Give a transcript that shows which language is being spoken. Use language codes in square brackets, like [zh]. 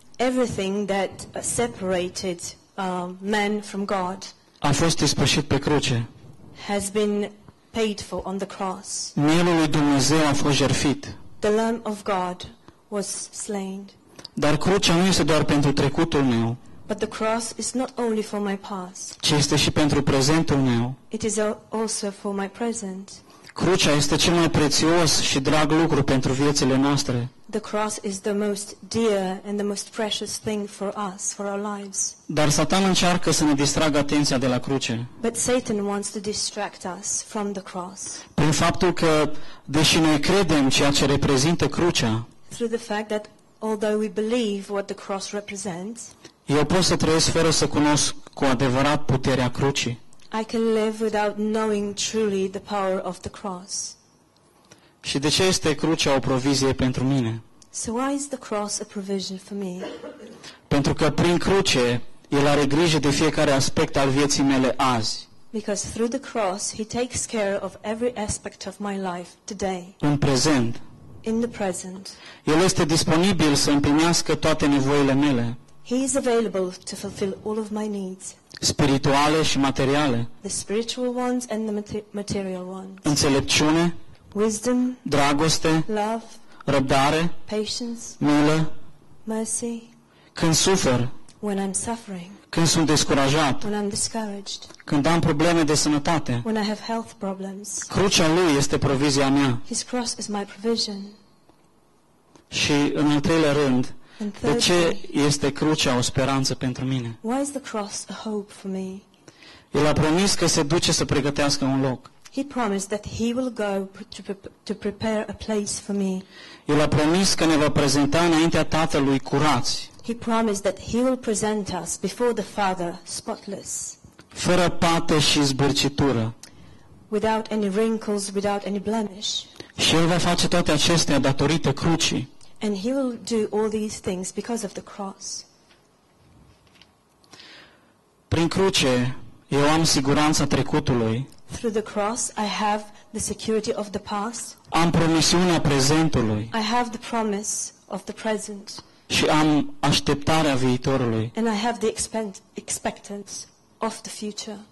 [en] everything that separated man from God, [ro] a fost ispășit pe cruce, [en] has been paid for on the cross. [ro] Mielul lui Dumnezeu a fost jertfit. [en] The Lamb of God was slain. [ro] Dar crucea nu este doar pentru trecutul meu. [en] But the cross is not only for my past. [ro] Ci este și pentru prezentul meu. [en] It is also for my present. [ro] Crucea este cel mai prețios și drag lucru pentru viețile noastre. [en] The cross is the most dear and the most precious thing for us, for our lives. [ro] Dar Satan încearcă să ne distragă atenția de la cruce. [en] But Satan wants to distract us from the cross. [ro] Prin faptul că, deși noi credem ceea ce reprezintă crucea, [en] through the fact that although we believe what the cross represents, [ro] eu pot să trăiesc fără să cunosc cu adevărat puterea crucii. [en] I can live without knowing truly the power of the cross. [ro] Și de ce este crucea o provizie pentru mine? [en] So why is the cross a provision for me? [ro] Pentru că prin cruce el are grijă de fiecare aspect al vieții mele azi. [en] Because through the cross he takes care of every aspect of my life today. [ro] În prezent. [en] In the present. [ro] El este disponibil să împlinească toate nevoile mele. [en] He is available to fulfill all of my needs. [ro] Spirituale și materiale. [en] The spiritual ones and the material ones. [ro] Înțelepciune. [en] Wisdom. [ro] Dragoste. [en] Love. [ro] Răbdare. [en] Patience. [ro] Milă. [en] Mercy. [ro] Când sufer. [en] When I'm suffering. [ro] Când sunt descurajat. [en] When I'm discouraged. [ro] Când am probleme de sănătate. [en] When I have health problems. [ro] Crucea lui este provizia mea. [en] His cross is my provision. [ro] Și în al treilea rând, de ce este crucea o speranță pentru mine? [en] Why is the cross a hope for me? [ro] El a promis că se duce să pregătească un loc. [en] He promised that he will go to prepare a place for me. [ro] El a promis că ne va prezenta înaintea Tatălui curați. [en] He promised that he will present us before the Father spotless. [ro] Fără pată și zbârcitură. [en] Without any wrinkles, without any blemish. [ro] Și el va face toate acestea datorită crucii. [en] And he will do all these things because of the cross. [ro] Prin cruce, eu am siguranța trecutului. [en] Through the cross, I have the security of the past. [ro] Am promisiunea prezentului. [en] I have the promise of the present. [ro] Și am așteptarea viitorului. [en] And I have the expectance of the future.